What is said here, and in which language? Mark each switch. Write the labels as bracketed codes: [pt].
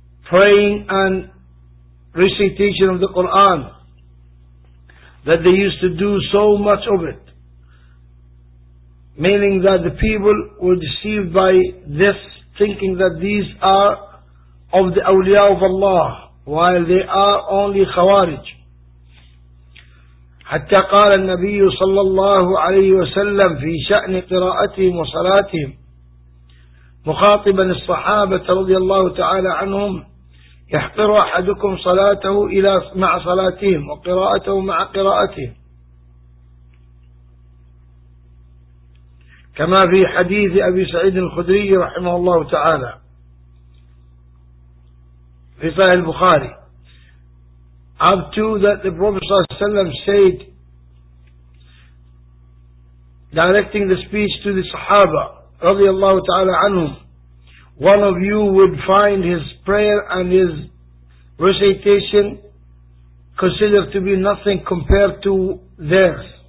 [en] praying and recitation of the Quran, that they used to do so much of it, meaning that the people were deceived by this, thinking that these are of the awliya of Allah, while they are only khawarij. [ar] حتى قال النبي صلى الله عليه وسلم في شأن قراءتهم وصلاتهم مخاطبا الصحابة رضي الله تعالى عنهم, يحقر أحدكم صلاته إلى مع صلاتهم وقراءته مع قراءتهم, كما في حديث أبي سعيد الخدري رحمه الله تعالى في صحيح البخاري. [en] Up to that, the Prophet ﷺ said, directing the speech to the Sahaba, radiallahu ta'ala anhum, one of you would find his prayer and his recitation considered to be nothing compared to theirs.